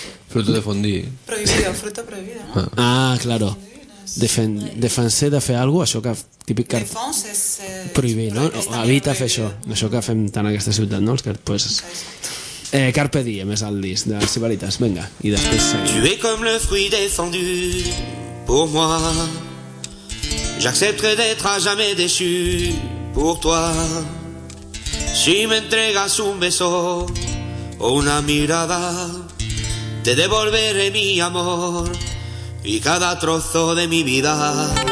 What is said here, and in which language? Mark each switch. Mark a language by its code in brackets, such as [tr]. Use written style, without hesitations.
[es] Fruto defendí. Prohibido, fruto prohibido, no? Ah, claro. [ca] Defensé de fer algo, això que típic que... Defens és... [es] Prohibir, no? [ca] Evita fer això, això que fem tant en aquesta ciutat, no? Pues, Carpe diem és el disc de les Sibaritas, vinga, i després... [fr] Tu es comme le fruit défendu pour moi. J'accepterai d'être à jamais déçu pour toi. [es] Si me entregas un beso o una mirada, te devolveré mi amor y cada trozo de mi vida.